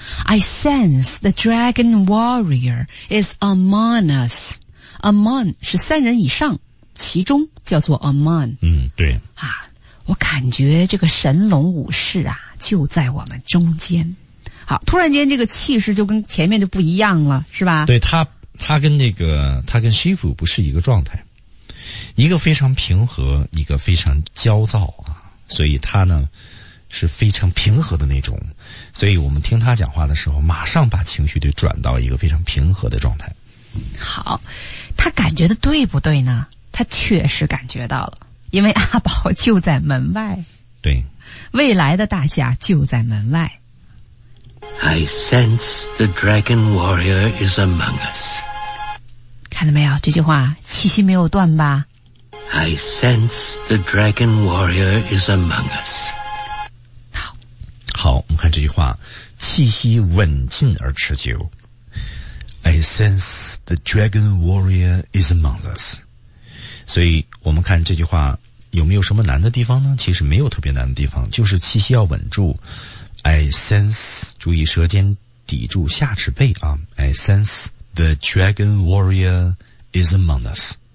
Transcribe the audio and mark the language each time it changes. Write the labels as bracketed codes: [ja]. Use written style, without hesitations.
[en] I sense the dragon warrior is among us. [zh] Among 是三人以上。其中叫做 Amon，嗯，对啊，我感觉这个神龙武士啊就在我们中间。好，突然间这个气势就跟前面就不一样了，是吧？对，他跟那个他跟西弗不是一个状态，一个非常平和，一个非常焦躁啊，所以他呢是非常平和的那种，所以我们听他讲话的时候，马上把情绪就转到一个非常平和的状态。好，他感觉的对不对呢？他确实感觉到了，因为阿宝就在门外。对，未来的大侠就在门外。 [en] I sense the dragon warrior is among us. [zh] 看到没有，这句话气息没有断吧 [en] ？I sense the dragon warrior is among us. [zh] 好，好，我们看这句话，气息稳劲而持久。 I sense the dragon warrior is among us. 所以我们看这句话有没有什么难的地方呢？其实没有特别难的地方，就是气息要稳住。 [en] I sense， [zh] 注意舌尖抵住下齿背啊。 [en] I sense the dragon warrior is among us。